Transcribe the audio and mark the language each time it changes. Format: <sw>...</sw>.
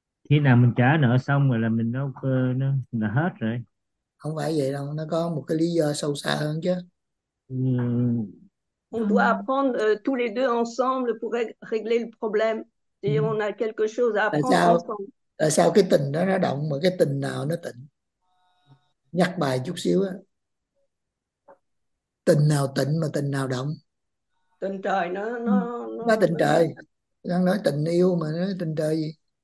<vi>Khi nào mình trả nợ xong rồi là mình đâu nó hết rồi. Không phải vậy đâu, nó có một cái lý do sâu xa hơn chứ.</vi> <fr>On doit apprendre tous les deux ensemble pour régler le problème. Et on a quelque chose à apprendre ensemble.</fr> <vi>Tại sao cái tình đó nó động mà cái tình nào nó tĩnh? Nhắc bài chút xíu á. Tình nào tĩnh mà tình nào động? Tình trời Nó tình nó trời. Đang nói tình yêu mà nó tình trời gì?</vi>